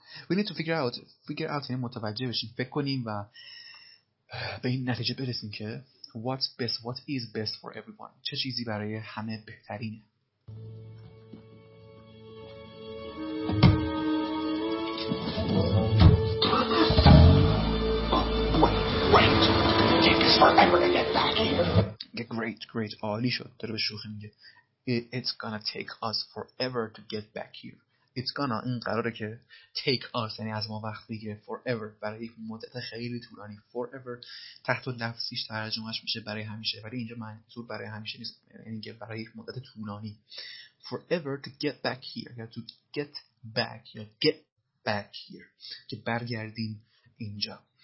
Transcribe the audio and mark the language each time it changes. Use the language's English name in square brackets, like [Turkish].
[English] We need to figure out [Persian] یعنی متوجه بشیم. فکر کنیم و به این نتیجه برسیم که [English] what is best for everyone. [Persian] چه چیزی برای همه بهترینه. [English] Great, [Persian] عالی شد. داره به شوخی میگه [English] It's gonna take us forever to get back here. [Persian] It's gonna این قراره که take us یعنی از ما وقت بگیره forever برای یک مدت خیلی طولانی forever تحت و لفظیش ترجمهش میشه برای همیشه، ولی اینجا منظور برای همیشه نیست، یعنی که برای یک مدت طولانی [English] forever to get back here [Persian] یا to get back یا get back here که برگردیم اینجا.